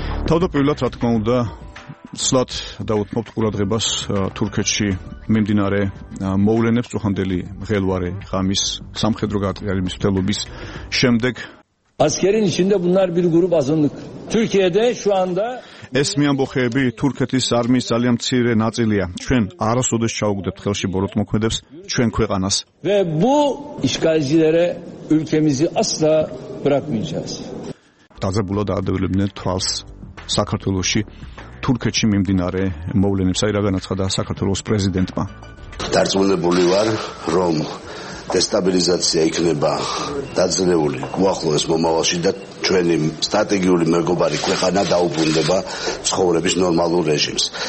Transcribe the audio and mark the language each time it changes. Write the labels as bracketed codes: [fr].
[ka] თავდაპირველად, რა თქმა უნდა, ცლად დავუთმობთ ყურადღებას თურქეთში მიმდინარე მოვლენებს უხანდელი მღელვარე ღამის სამხედრო გაყალიბების მცდელობის შემდეგ. [tr] Askerin içinde bunlar bir grup azınlık. Türkiye'de şu anda [ka] ეს მიამბოხეები თურქეთის არმიის ძალიან მცირე ნაწილია. ჩვენ არასოდეს ჩაუგდებთ ხელში ბოროტმოქმედებს ჩვენ ქვეყანას. [tr] Ve bu işgalcilere ülkemizi asla bırakmayacağız. [ka] დაძაბულად ადევილებდნენ თვალს საქართველოში თურქეთში მიმდინარე მოვლენებს, აი რა განაცხადა საქართველოს პრეზიდენტმა. დარწმუნებული ვარ, რომ დესტაბილიზაცია იქნება დაძლეული უახლოეს მომავალში და ჩვენი სტრატეგიული მეგობარი ქვეყანა დაუბრუნდება ცხოვრების ნორმალურ რეჟიმს.